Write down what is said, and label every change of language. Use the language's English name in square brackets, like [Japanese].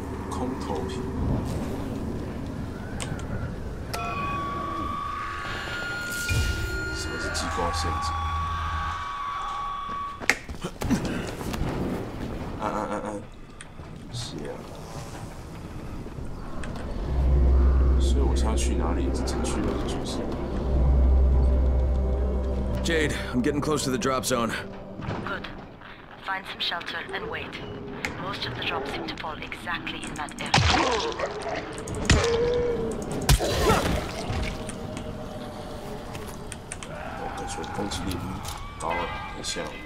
[Chinese] 空投瓶，什么是激光陷阱？是啊，所以我现在去哪里？直接去了就是。 [English] Jade, I'm getting close to the drop zone. Good. Find some shelter and wait. Most of the drops seem to fall exactly in that area. [Chinese] Oh, 我感觉攻击力高了，很像。